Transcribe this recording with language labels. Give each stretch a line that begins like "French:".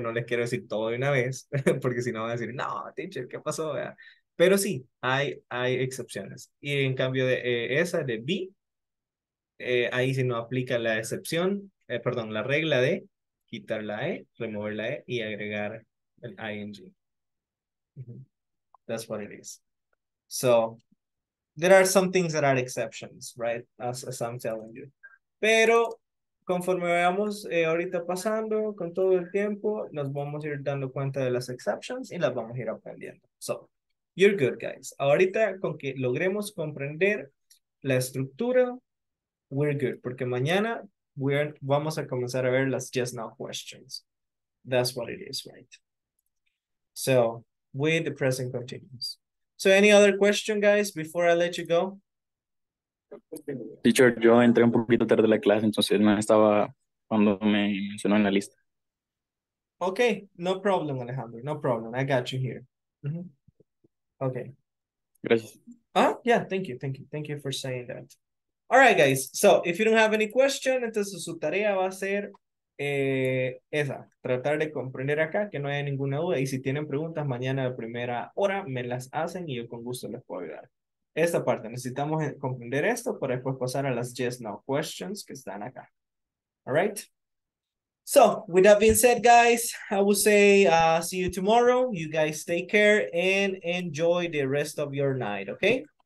Spanish: No les quiero decir todo de una vez, porque si no van a decir, no, teacher, ¿qué pasó? ¿Verdad? Pero sí, hay excepciones. Y en cambio de esa, de B, ahí sí no aplica la excepción, perdón, la regla de quitar la E, remover la E y agregar el ING.
English: Mm-hmm. That's what it is. So there are some things that are exceptions, right? As I'm telling you.
Spanish: Pero conforme veamos ahorita pasando con todo el tiempo, nos vamos a ir dando cuenta de las exceptions y las vamos a ir aprendiendo. So you're good, guys. Ahorita con que logremos comprender la estructura, we're good. Porque mañana vamos a comenzar a ver las just now questions.
English: That's what it is, right? So with the present continuous. So any other question, guys, before I let you go?
Spanish: Teacher, yo entré un poquito tarde de la clase, entonces no estaba cuando me mencionó en la lista.
English: Okay, no problem, Alejandro, no problem. I got you here. Mm-hmm. Okay.
Spanish: Gracias.
English: Yeah, thank you. Thank you for saying that. All right, guys, so if you don't have any question, entonces su tarea va a ser...
Spanish: esa, tratar de comprender acá que no haya ninguna duda, y si tienen preguntas mañana de primera hora, me las hacen y yo con gusto les puedo ayudar. Esta parte, necesitamos comprender esto para después pasar a las yes, no questions que están acá.
English: Alright, so with that being said, guys, I will say see you tomorrow. You guys take care and enjoy the rest of your night, okay?